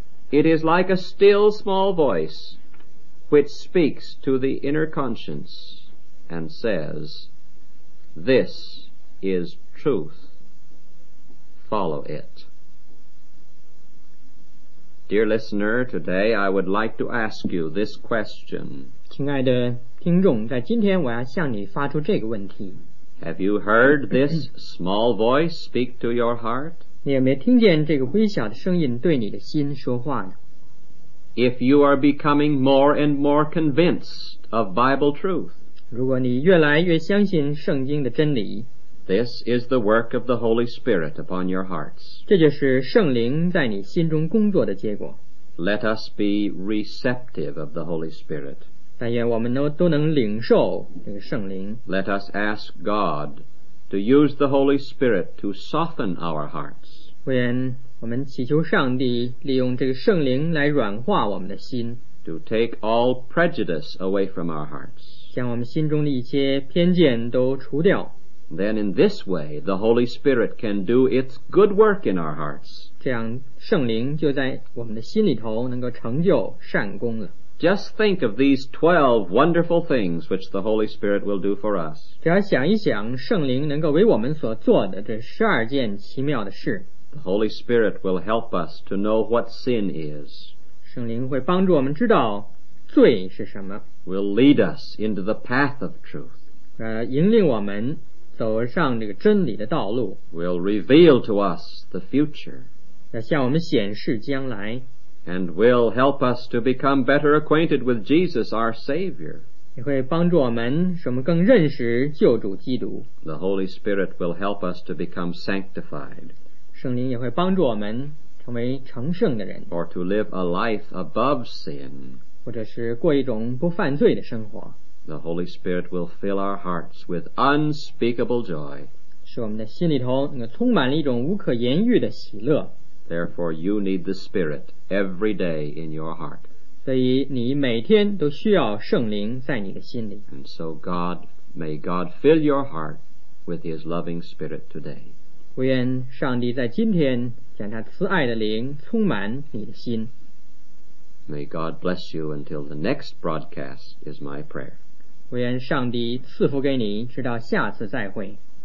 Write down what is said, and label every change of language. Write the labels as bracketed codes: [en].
[en] It is like a still small voice which speaks to the inner conscience and says, "This is truth. Follow it." Dear listener, today I would like to ask you this question. [zh] 亲爱的听众，在今天我要向你发出这个问题。 [en] Have you heard this small voice speak to your heart? [zh] 你有没有听见这个微小的声音对你的心说话呢？ [en] If you are becoming more and more convinced of Bible truth, [zh] 如果你越来越相信圣经的真理， [en] this is the work of the Holy Spirit upon your hearts. [zh] 这就是圣灵在你心中工作的结果。 [en] Let us be receptive of the Holy Spirit. [zh] 但愿我们都能领受这个圣灵。 [en] Let us ask God to use the Holy Spirit to soften our hearts. [zh] 我愿我们祈求上帝利用这个圣灵来软化我们的心。 [en] To take all prejudice away from our hearts. [zh] 将我们心中的一些偏见都除掉。 [en] Then in this way, the Holy Spirit can do its good work in our hearts. [zh] 这样圣灵就在我们的心里头能够成就善功了。 [en] Just think of these 12 wonderful things which the Holy Spirit will do for us. [zh] 只要想一想圣灵能够为我们所做的这12件奇妙的事。 [en] The Holy Spirit will help us to know what sin is. [zh] 圣灵会帮助我们知道罪是什么。 [en] Will lead us into the path of truth. [zh] 引领我们走上这个真理的道路。 [en] Will reveal to us the future. [zh] 要向我们显示将来。 [en] And will help us to become better acquainted with Jesus our Savior. [zh] 也会帮助我们使我们更认识救主基督。 [en] The Holy Spirit will help us to become sanctified. [zh] 圣灵也会帮助我们成为成圣的人。 [en] Or to live a life above sin. [zh] 或者是过一种不犯罪的生活。 [en] The Holy Spirit will fill our hearts with unspeakable joy. [zh] 使我们的心里头能够充满了一种无可言喻的喜乐。 [en] Therefore, you need the Spirit every day in your heart. [zh] 所以你每天都需要圣灵在你的心里。 [en] And so God, may God fill your heart with His loving Spirit today. [zh] 我愿上帝在今天将他慈爱的灵充满你的心。 [en] May God bless you until the next broadcast is my prayer. [zh] 我愿上帝赐福给你，直到下次再会。